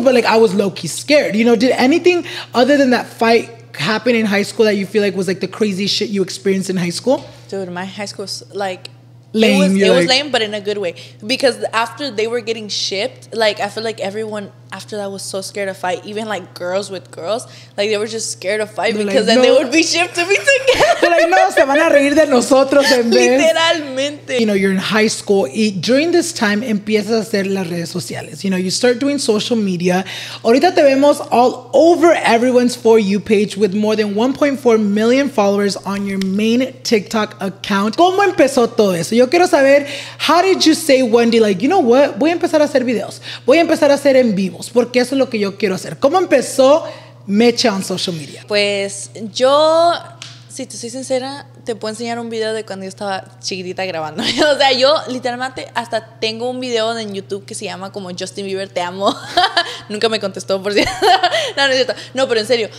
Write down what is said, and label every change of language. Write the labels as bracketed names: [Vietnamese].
[English] But, like, I was low-key scared. You know, did anything other than that fight happen in high school that you feel like was, like, the craziest shit you experienced in high school? Dude, my high school was, like, lame. It was lame, but in a good way. Because after they were getting shipped, like, I feel like everyone after that was so scared to fight, even like girls with girls, like they were just scared to fight because like, then no. They would be shipped to be together. [Spanish] Like, no, se van a reír de nosotros en vez. Literalmente. [English] You know, you're in high school, and during this time, [Spanish] empiezas a hacer las redes sociales. [English] You know, you start doing social media. [Spanish] Ahorita te vemos [English] all over everyone's For You page with more than 1.4 million followers on your main TikTok account. [Spanish] ¿Cómo empezó todo eso? Yo quiero saber, [English] how did you say one day, like, you know what? [Spanish] Voy a empezar a hacer videos. Voy a empezar a hacer en vivo. Porque eso es lo que yo quiero hacer. ¿Cómo empezó Mecha en social media? Pues yo, si te soy sincera, te puedo enseñar un video de cuando yo estaba chiquitita grabando. O sea, yo literalmente hasta tengo un video en YouTube que se llama como Justin Bieber, te amo. Nunca me contestó, por cierto. No, no es cierto. No, pero en serio.